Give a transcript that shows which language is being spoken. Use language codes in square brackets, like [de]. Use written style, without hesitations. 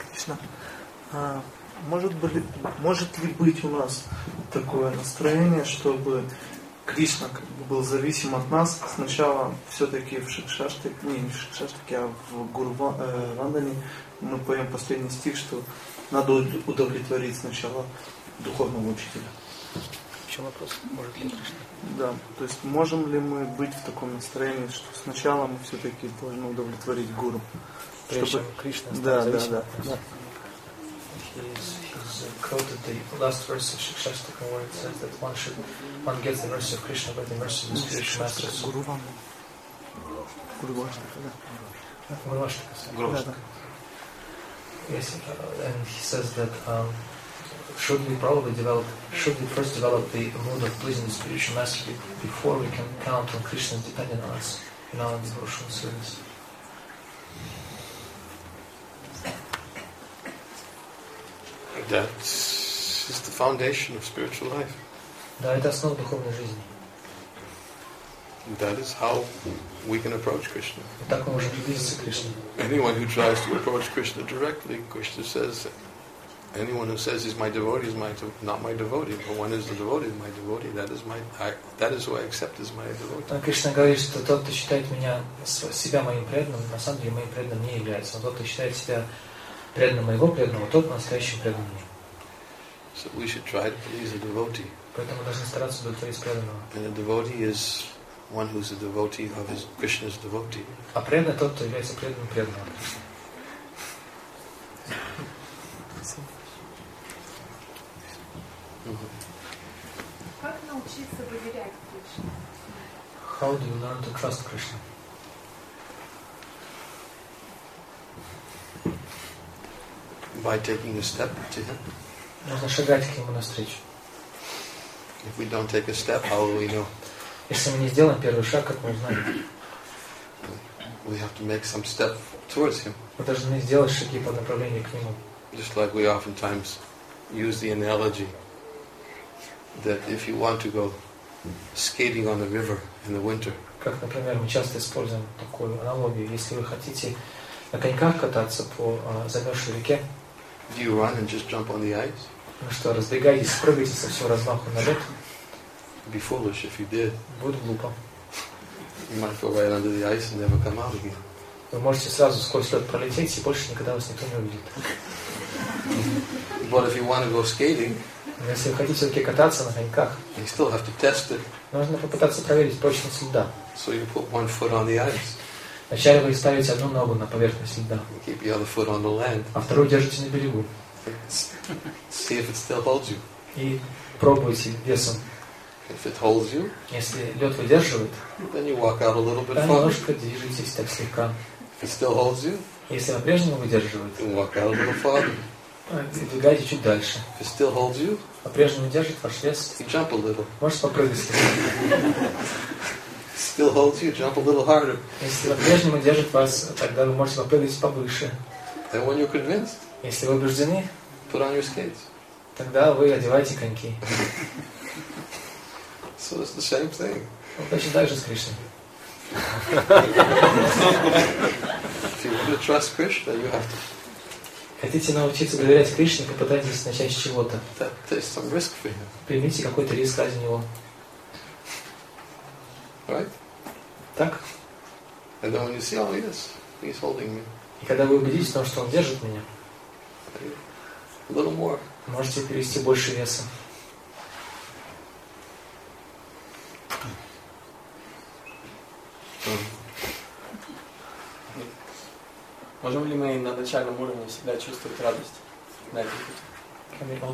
[ru] Кришна, может ли быть у нас такое настроение, чтобы Кришна как бы был зависим от нас сначала все-таки в Шикшаштаке, не в Шикшаштаке, а в Гуру-Вандане мы поем последний стих, что надо удовлетворить сначала духовного учителя. чем вопрос? Может ли Кришна? Да, то есть можем ли мы быть в таком настроении, что сначала мы все-таки должны удовлетворить гуру? Прежде чтобы... чем Кришна [en] Yes, and he says that should we first develop the mood of pleasing the spiritual master before we can count on Krishna depending on us in our devotional service. That is the foundation of spiritual life. [ru] Да, это основа духовной жизни. [en] That is how we can approach Krishna. [ru] Так мы можем приблизиться к Кришне. [en] Anyone who tries to approach Krishna directly, Krishna says, anyone who says he's my devotee is my not my devotee, but one is the devotee, my devotee. That is who I accept as my devotee. [ru] Так Кришна говорит, что тот, кто считает меня себя моим преданным, на самом деле моим преданным не является. Но тот, кто считает себя преданным моего преданного, тот настоящий преданный. [en] So we should try to please the devotee. [ru] Поэтому мы должны стараться удовлетворить преданного. [en] And a devotee is one who is a devotee of his Krishna's devotee. [ru] А преданный тот, кто является преданным преданного. Как научиться доверять Кришне? [en] How do you learn to trust Krishna? By taking a step to him. [ru] Нужно шагать к нему навстречу. [en] If we don't take a step, how will we know? [ru] Если мы не сделаем первый шаг, как мы узнаем? [en] We have to make some step towards him. [ru] Мы должны сделать шаги по направлению к нему. [en] Just like we oftentimes use the analogy that if you want to go skating on the river in the winter. [ru] Как, например, мы часто используем такую аналогию, если вы хотите на коньках кататься по замерзшей реке. [en] Do you run and just jump on the ice? [ru] Ну что, разбегайтесь, прыгайте со всего размаху на лед. [en] Be foolish if you did. [ru] Будет глупо. [en] You might go right under the ice and never come out again. [ru] Вы можете сразу сквозь лед пролететь и больше никогда вас никто не увидит. [en] But if you want to go skating, [ru] если вы хотите все-таки кататься на коньках, [en] you still have to test it. [ru] Нужно попытаться проверить прочность льда. [en] So you put one foot on the ice. [ru] Вначале вы ставите одну ногу на поверхность льда. [en] You keep the other foot on the land. [ru] А вторую держите на берегу. [en] See if it still holds you. [ru] И пробуйте весом. [en] If it holds you, [ru] если лед выдерживает, [en] then you walk out a little bit further. [ru] Немножко движетесь так слегка. [en] If it still holds you, [ru] если по-прежнему выдерживает, [en] then walk out a little further. [ru] Двигайте чуть дальше. [en] If it still holds you, [ru] по-прежнему держит ваш вес, [en] you jump a little. [ru] Можете попрыгать слегка. [en] Still holds you, jump a little harder. [ru] Если по-прежнему держит вас, тогда вы можете попрыгать повыше. [en] And when you're convinced, [ru] если вы убеждены, [en] put on your skates. [ru] Тогда вы одевайте коньки. [en] So it's the same thing. [ru] Точно так же с Кришной. [en] If you want to trust Krishna, you have to. [ru] Хотите научиться доверять Кришне, попытайтесь начать с чего-то. [en] There's some risk for you. [ru] Примите какой-то риск ради него. [en] Right? [ru] Так? [en] And then when you see, oh yes, he's holding me. [ru] И когда вы убедитесь в том, что он держит меня, [en] a little more. [ru] Можете перевести больше веса. Можем ли мы на начальном уровне всегда чувствовать радость на этом пути?